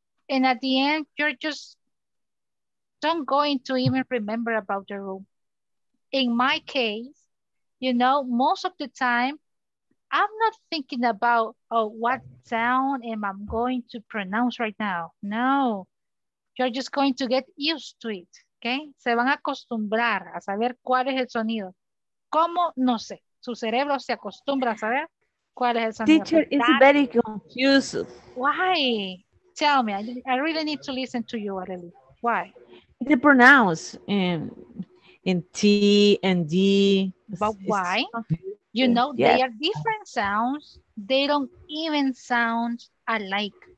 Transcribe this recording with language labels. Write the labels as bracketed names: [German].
[English] And at the end, you're just, don't going to even remember about the rule. In my case, you know, most of the time, I'm not thinking about, what sound am I going to pronounce right now? No, you're just going to get used to it, okay? [Spanish] Se van a acostumbrar a saber cuál es el sonido. ¿Cómo? No sé. Su cerebro se acostumbra a saber cuál es el sonido. [English] Teacher, it's very confused. Why? Tell me, I really need to listen to you, Arely. Why? The pronounce in T and D. But why? You know, yes. They are different sounds. They don't even sound alike.